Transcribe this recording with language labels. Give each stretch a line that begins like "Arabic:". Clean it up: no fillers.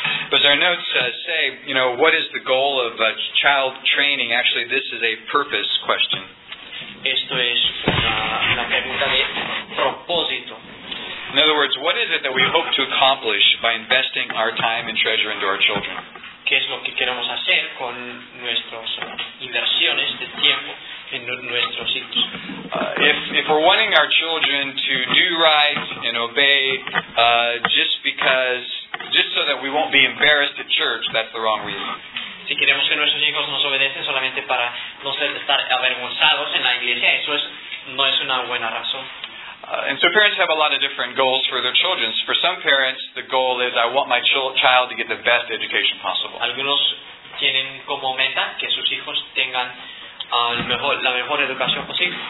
English: But as our notes say, you know, what is the goal of child training? Actually, this is a purpose question.
Spanish: Esto es una pregunta de propósito.
English: In other words, what is it that we hope to accomplish by investing our time and treasure into our children?
Spanish: ¿Qué es lo que queremos hacer con nuestras inversiones de tiempo en nuestros hijos?
English: If we're wanting our children to do right and obey just so that we won't be embarrassed at church, that's the wrong reason.
Spanish: Si queremos que nuestros hijos nos obedecen solamente para no estar avergonzados en la iglesia, eso es, no es una buena razón.
English: And so parents have a lot of different goals for their children. For some parents, the goal is, I want my child to get the best education possible.
Spanish: Algunos tienen como meta que sus hijos tengan la mejor educación posible.